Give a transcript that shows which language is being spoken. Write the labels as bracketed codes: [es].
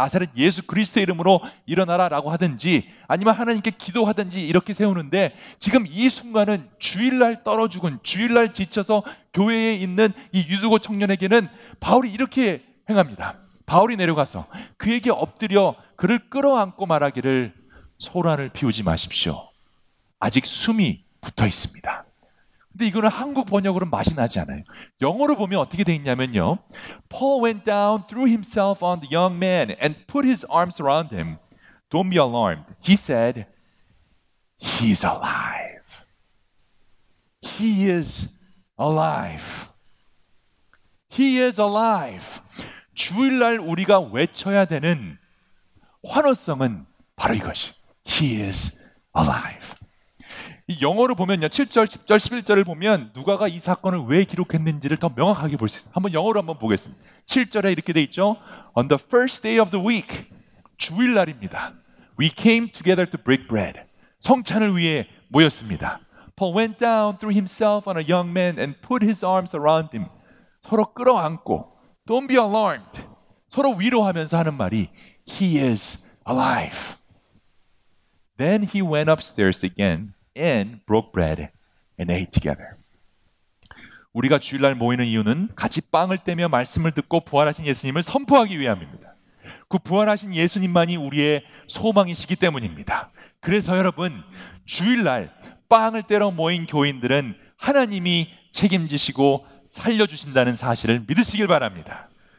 [ko] 나사렛 예수 그리스도의 이름으로 일어나라라고 하든지 아니면 하나님께 기도하든지 이렇게 세우는데 지금 이 순간은 주일날 떨어 죽은 주일날 지쳐서 교회에 있는 이 유두고 청년에게는 바울이 이렇게 행합니다. 바울이 내려가서 그에게 엎드려 그를 끌어안고 말하기를 소란을 피우지 마십시오. 아직 숨이 붙어 있습니다. 근데 이거는 한국 번역으로는 맛이 나지 않아요. 영어로 보면 어떻게 돼 있냐면요. [en] Paul went down, threw himself on the young man, and put his arms around him. Don't be alarmed. He said, He's alive. He is alive. He is alive. [ko] 주일날 우리가 외쳐야 되는 환호성은 바로 이것이. [en] He is alive. [ko] 영어로 보면요, 7절, 10절, 11절을 보면 누가가 이 사건을 왜 기록했는지를 더 명확하게 볼수 있어요. 한번 영어로 한번 보겠습니다. 7절에 이렇게 돼 있죠. [en] On the first day of the week, [ko] 주일날입니다. [en] We came together to break bread. [ko] 성찬을 위해 모였습니다. [en] Paul went down, threw himself on a young man and put his arms around him. [ko] 서로 끌어안고, [en] Don't be alarmed. [ko] 서로 위로하면서 하는 말이 [en] He is alive. Then he went upstairs again. And broke bread and ate together. [ko] 우리가 주일날 모이는 이유는 같이 빵을 떼며 말씀을 듣고 부활하신 예수님을 선포하기 위함입니다. 그 부활하신 예수님만이 우리의 소망이시기 때문입니다. 그래서 여러분, 주일날 빵을 떼러 모인 교인들은 하나님이 책임지시고 살려주신다는 사실을 믿으시길 바랍니다.